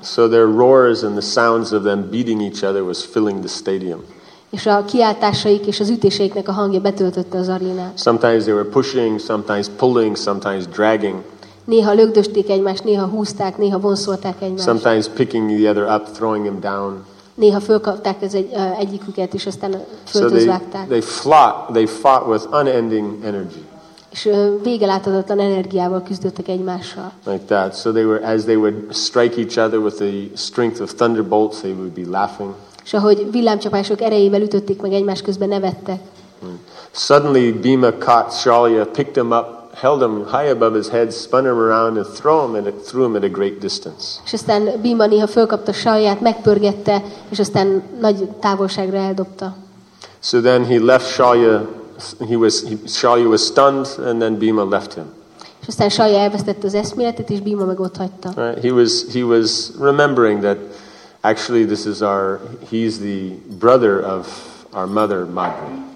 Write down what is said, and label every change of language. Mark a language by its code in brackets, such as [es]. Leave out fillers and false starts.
[en] So their roars and the sounds of them beating each other was filling the stadium. [hu] És a kiáltásaik és az ütéseiknek a hangja betöltötte az arénát. [en] Sometimes they were pushing, sometimes pulling, sometimes dragging. [hu] Néha lögdösték egymást, néha húzták, néha vonszolták egymást. [en] Sometimes picking the other up, throwing him down. [hu] Néha fölkapták egyiküket, és aztán földhöz vágták. [en] They fought with unending energy. [hu] És végeláthatatlan energiával küzdöttek egymással. [en] Like that. So they were, as they would strike each other with the strength of thunderbolts, they would be laughing. [hu] És ahogy villámcsapások erejével ütötték meg egymás közben, nevettek. [en] Suddenly Bhima caught Shalya, picked him up, held him high above his head, spun him around and threw him at a great distance. [hu] És aztán Bhima néha fölkapta Shalyát, megpörgette, és aztán nagy távolságra eldobta. [en] So then he left Shalya, Shalya was stunned and then Bhima left him. [hu] És aztán Shalya elvesztette az eszméletet, és Bhima meg ott hagyta. [en] He was remembering that actually this is our, he's the brother of our mother Madri.